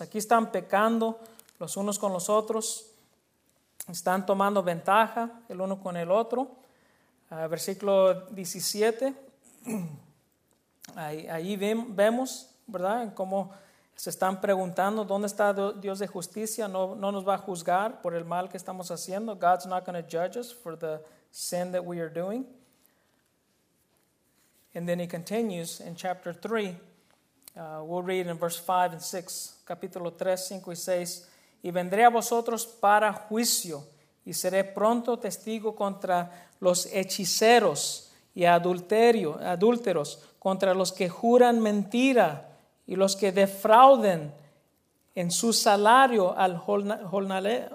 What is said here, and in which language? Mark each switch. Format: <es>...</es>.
<es>Aquí están pecando los unos con los otros, están tomando ventaja el uno con el otro. Versículo 17, ahí vemos, ¿verdad?, cómo se están preguntando, ¿dónde está Dios de justicia? No nos va a juzgar por el mal que estamos haciendo.</es> <en>God's not going to judge us for the sin that we are doing. And then he continues in chapter 3. We'll read in verse 5 and 6,</en> <es>capítulo 3, 5 y 6. Y vendré a vosotros para juicio, y seré pronto testigo contra los hechiceros y adúlteros, contra los que juran mentira y los que defrauden en su salario al jornalero,</es>